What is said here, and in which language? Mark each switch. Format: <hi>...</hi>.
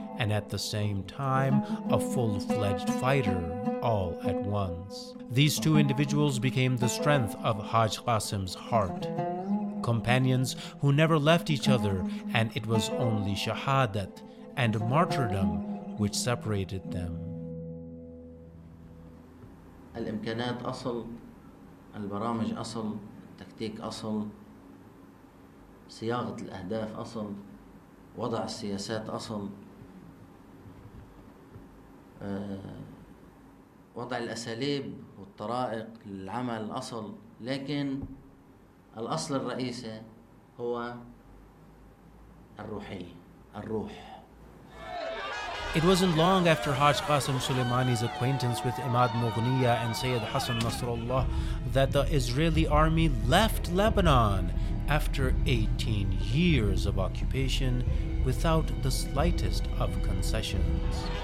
<en>and at the same time a full-fledged fighter all at once. These two individuals became the strength of Haj Qasim's heart. Companions who never left each other, and it was only shahadat and martyrdom which separated them.</en> <ar>الإمكانات أصل، البرامج أصل، التكتيك أصل، صياغة الأهداف أصل، وضع السياسات أصل، وضع الأساليب والطرائق للعمل أصل، لكن الأصل الرئيسي هو الروحي، الروح.</ar> <en>It wasn't long after Haj Qasim Soleimani's acquaintance with Imad Mughniyah and Sayyid Hassan Nasrullah that the Israeli army left Lebanon after 18 years of occupation without the slightest of concessions.</en>